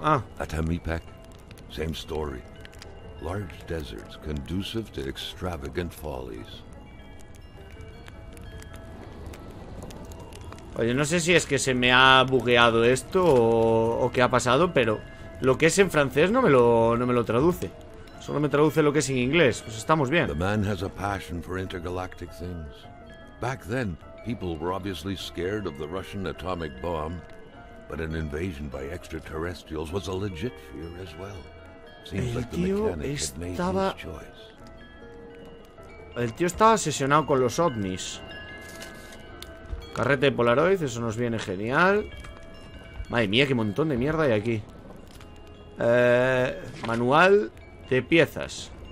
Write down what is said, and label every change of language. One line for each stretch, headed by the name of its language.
English: Ah. Atamipac. Same story. Large deserts conducive to extravagant follies.
Spanish: Oye, no sé si es que se me ha bugueado esto o qué ha pasado, pero lo que es en francés no me lo traduce. Solo me traduce lo que es en inglés. Pues estamos bien.
English: The man has a passion for intergalactic things. Back then, people were obviously scared of the Russian atomic bomb, but an invasion by extraterrestrials was a legit fear as well. Seems like the mechanic had made his choice.
Spanish: El tío estaba obsesionado con los ovnis. Carrete de Polaroid, eso nos viene genial. Madre mía, qué montón de mierda hay aquí. Manual de piezas.